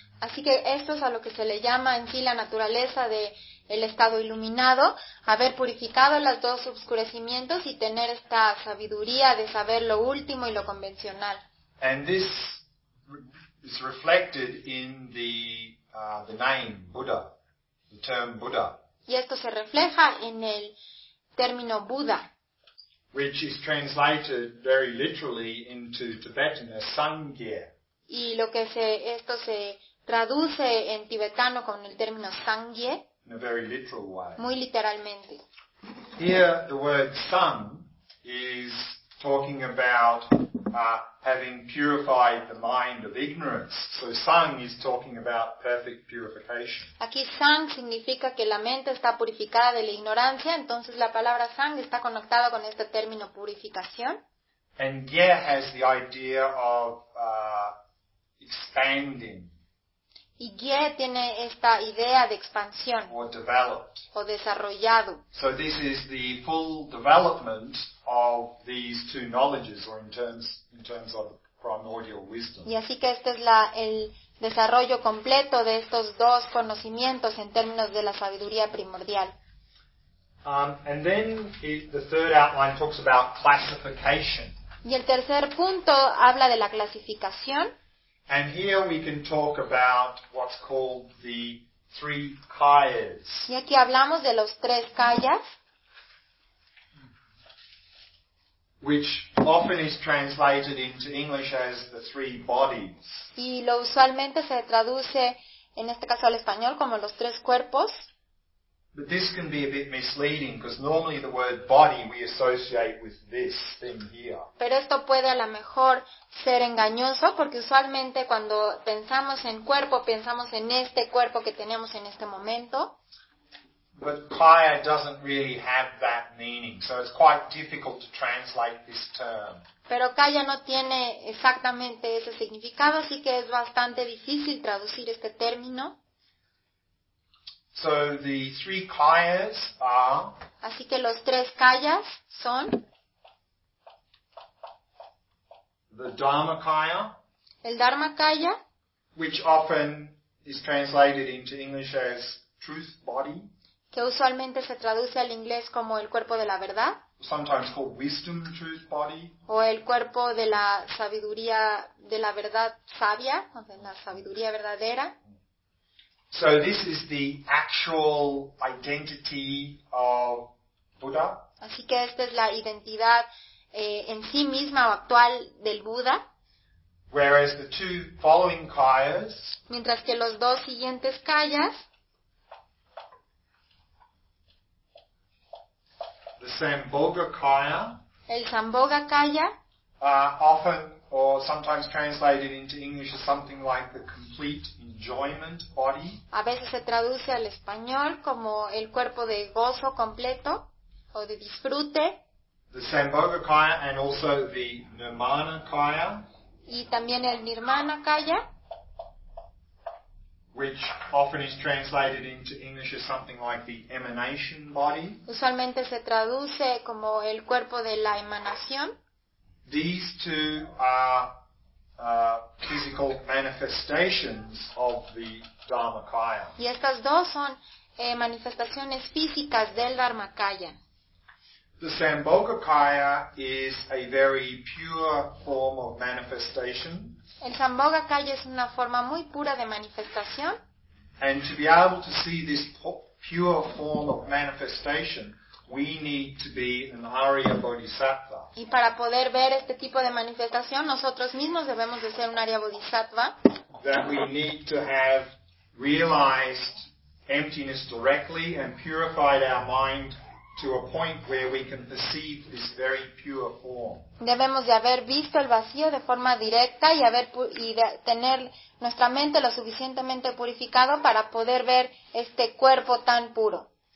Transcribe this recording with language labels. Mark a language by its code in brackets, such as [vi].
[es] Así que esto es a lo que se le llama en sí la naturaleza del estado iluminado, haber purificado los dos obscurecimientos y tener esta sabiduría de saber lo último y lo convencional. [en] And this is reflected in the name Buddha, the term Buddha. [es] Y esto se refleja en el término Buda. [en] Which is translated very literally into Tibetan as Sangye. [es] Y lo que esto se traduce en tibetano con el término Sangye. [en] In a very literal way. [es] Muy literalmente. [en] Here the word sun is talking about having purified the mind of ignorance. So sun is talking about perfect purification. [es] Aquí sun significa que la mente está purificada de la ignorancia, entonces la palabra sun está conectada con este término purificación. [en] And ye has the idea of expanding. [es] Y ye tiene esta idea de expansión. [en] Or developed. [es] O desarrollado. [en] So this is the full development of these two knowledges, or in terms of primordial wisdom. [es] Y así que este es el desarrollo completo de estos dos conocimientos en términos de la sabiduría primordial. [en] And then the third outline talks about classification. [es] Y el tercer punto habla de la clasificación. [en] And here we can talk about what's called the three kayas. [es] Y aquí hablamos de los tres kayas. [en] Which often is translated into English as the three bodies. [es] Y lo usualmente se traduce, en este caso al español, como los tres cuerpos. [en] But this can be a bit misleading, because normally the word body we associate with this thing here. [es] Pero esto puede a lo mejor ser engañoso, porque usualmente cuando pensamos en cuerpo, pensamos en este cuerpo que tenemos en este momento. [en] But kaya doesn't really have that meaning, so it's quite difficult to translate this term. [es] Pero kaya no tiene exactamente ese significado, así que es bastante difícil traducir este término. [en] So the three kayas are. [es] Así que los tres kayas son. [en] The Dharmakaya. [es] El Dharmakaya. [en] Which often is translated into English as truth body. [es] Que usualmente se traduce al inglés como el cuerpo de la verdad. [en] Sometimes called wisdom truth body. [es] O el cuerpo de la sabiduría, de la verdad sabia, o de la sabiduría verdadera. [en] So this is the actual identity of Buddha. [es] Así que esta es la identidad en sí misma o actual del Buda. [en] Whereas the two following kayas. [es] Mientras que los dos siguientes kayas. [en] The Sambhoga kaya. [es] El Sambhoga kaya. [en] Often or sometimes translated into English as something like the complete enjoyment body. [es] A veces se traduce al español como el cuerpo de gozo completo o de disfrute. [en] The Sambhoga kaya and also the Nirmana kaya. [es] Y también el Nirmana kaya. [en] Which often is translated into English as something like the emanation body. [es] Usualmente se traduce como el cuerpo de la emanación. [en] These two are physical manifestations of the Dharmakaya. [es] Y estas dos son manifestaciones físicas del Dharmakaya. [en] The Sambhogakaya is a very pure form of manifestation. [es] El Sambhogakaya es una forma muy pura de manifestación. [en] And to be able to see this pure form of manifestation, we need to be an Arya Bodhisattva. [es] Y para poder ver este tipo de manifestación, nosotros mismos debemos de ser un Arya Bodhisattva. [en] That we need to have realized emptiness directly and purified our mind to a point where we can perceive this very pure form. [es] Debemos de haber visto el vacío de forma directa y haber tener nuestra mente lo suficientemente purificado para poder ver este cuerpo tan puro.